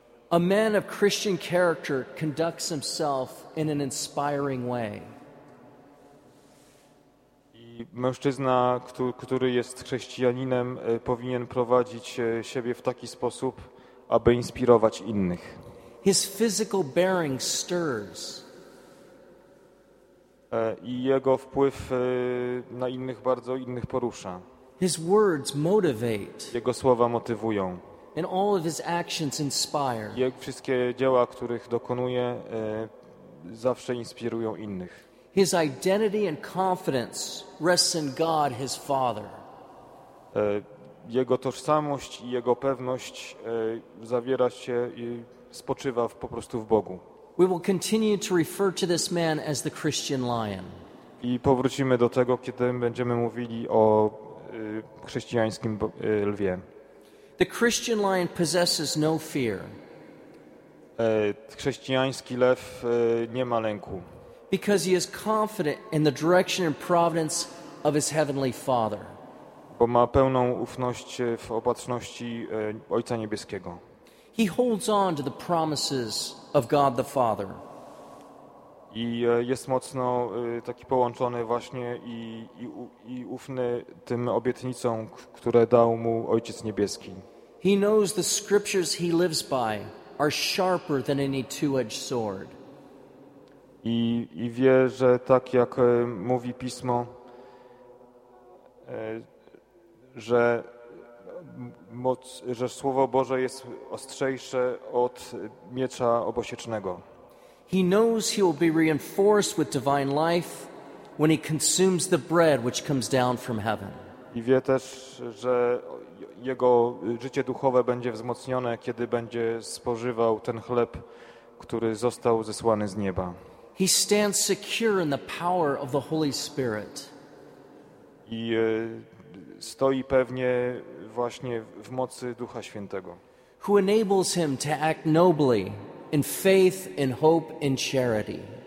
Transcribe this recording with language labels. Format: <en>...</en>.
<en>A man of Christian character conducts himself in an inspiring way.</en> <pl>Mężczyzna, który jest chrześcijaninem, powinien prowadzić siebie w taki sposób, aby inspirować innych.</pl> <en>His physical bearing stirs.</en> <pl>I jego wpływ na innych bardzo innych porusza.</pl> <en>His words motivate.</en> <pl>Jego słowa motywują.</pl> <en>And all of his actions inspire.</en> <pl>Jego wszystkie dzieła, których dokonuje, zawsze inspirują innych.</pl> <en>His identity and confidence rests in God, his Father.</en> <pl>Jego tożsamość i jego pewność zawiera się i spoczywa po prostu w Bogu.</pl> <en>We will continue to refer to this man as the Christian Lion.</en> <pl>I powrócimy do tego, kiedy będziemy mówili o chrześcijańskim lwie.</pl> <en>The Christian Lion possesses no fear.</en> <pl>Chrześcijański lew nie ma lęku.</pl> <en>Because he is confident in the direction and providence of his heavenly Father.</en> <pl>Bo ma pełną ufność w opatrzności Ojca Niebieskiego.</pl> <en>He holds on to the promises of God the Father.</en> <pl>I jest mocno taki połączony właśnie i ufny tym obietnicom, które dał mu Ojciec Niebieski.</pl> <en>He knows the scriptures he lives by are sharper than any two-edged sword.</en> <pl>I wie, że tak jak mówi Pismo, że moc, że Słowo Boże jest ostrzejsze od miecza obosiecznego.</pl> <en>He knows he will be reinforced with divine life when he consumes the bread which comes down from heaven.</en> <pl>I wie też, że jego życie duchowe będzie wzmocnione, kiedy będzie spożywał ten chleb, który został zesłany z nieba.</pl> <en>He stands secure in the power of the Holy Spirit.</en> <pl>I stoi pewnie właśnie w mocy Ducha Świętego.</pl> <en>Who enables him to act nobly in faith, in hope, in charity.</en>